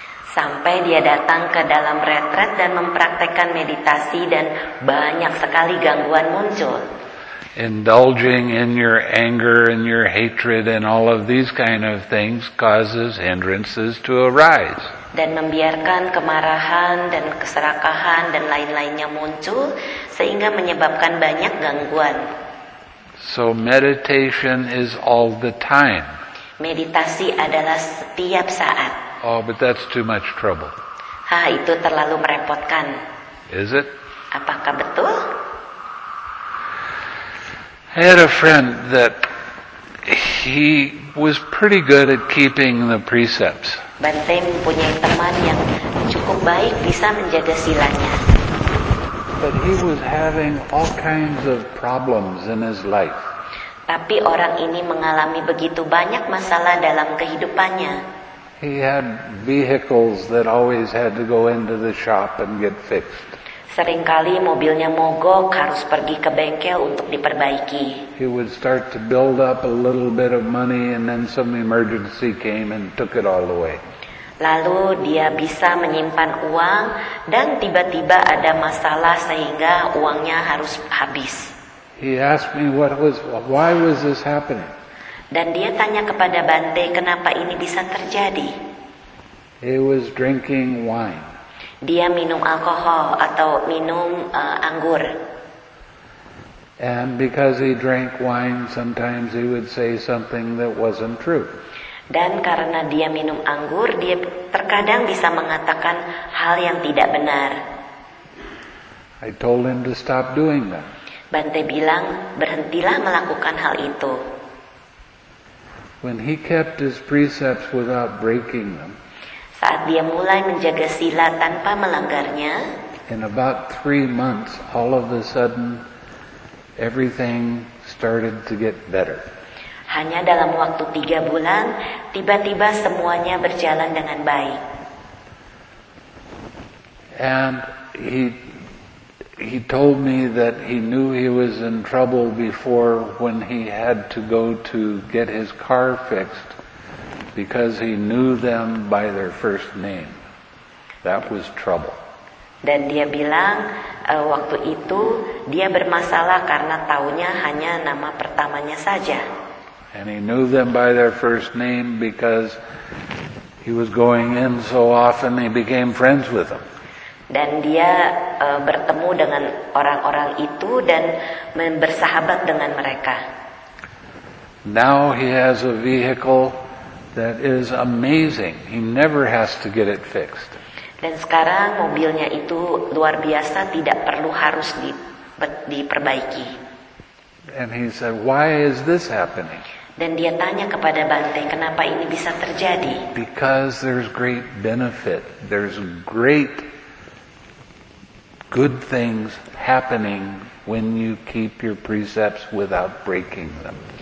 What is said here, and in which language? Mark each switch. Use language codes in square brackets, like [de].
[id] Sampai dia datang ke dalam retret dan mempraktekkan meditasi dan banyak sekali gangguan muncul. [en] Indulging in your anger and your hatred and all of these kind of things causes hindrances to arise. [id] Dan membiarkan kemarahan dan keserakahan dan lain-lainnya muncul sehingga menyebabkan banyak gangguan. [en] So meditation is all the time. [id] Meditasi adalah setiap saat. [en] Oh, but that's too much trouble. [id] Ha, itu terlalu merepotkan. [en] Is it? [id] Apakah betul? [en] I had a friend that he was pretty good at keeping the precepts. [id] Bante punya teman yang cukup baik bisa menjaga silanya. [en] But he was having all kinds of problems in his life. [id] Tapi orang ini mengalami begitu banyak masalah dalam kehidupannya. [en] He had vehicles that always had to go into the shop and get fixed. [id] Seringkali mobilnya mogok, harus pergi ke bengkel untuk diperbaiki. [en] He would start to build up a little bit of money and then some emergency came and took it all away. [id] Lalu dia bisa menyimpan uang dan tiba-tiba ada masalah sehingga uangnya harus habis. [en] He asked me why was this happening? [id] Dan dia tanya kepada Bante, kenapa ini bisa terjadi? [en] He was drinking wine. [id] Dia minum alkohol atau minum anggur. [en] And because he drank wine, sometimes he would say something that wasn't true. [id] Dan karena dia minum anggur, dia terkadang bisa mengatakan hal yang tidak benar. [en] I told him to stop doing that. [id] Bante bilang, berhentilah melakukan hal itu. [en] When he kept his precepts without breaking them, [id] saat dia mulai menjaga sila tanpa melanggarnya, [en] in about 3 months, all of a sudden, everything started to get better. [id] Hanya dalam waktu 3 bulan, tiba-tiba semuanya berjalan dengan baik. [en] And he told me that he knew he was in trouble before when he had to go to get his car fixed because he knew them by their first name. That was trouble. [id] Dan dia bilang waktu itu dia bermasalah karena taunya hanya nama pertamanya saja. [en] And he knew them by their first name because he was going in so often he became friends with them. [id] Dan dia bertemu dengan orang-orang itu dan bersahabat dengan mereka. [en] Now he has a vehicle that is amazing. He never has to get it fixed. [id] Dan sekarang mobilnya itu luar biasa, tidak perlu harus diperbaiki. [en] And he said, "Why is this happening?" [id] Dan dia tanya kepada Bante, kenapa ini bisa terjadi? [en] Because there's great benefit. There's great good things happening when you keep your precepts without breaking them.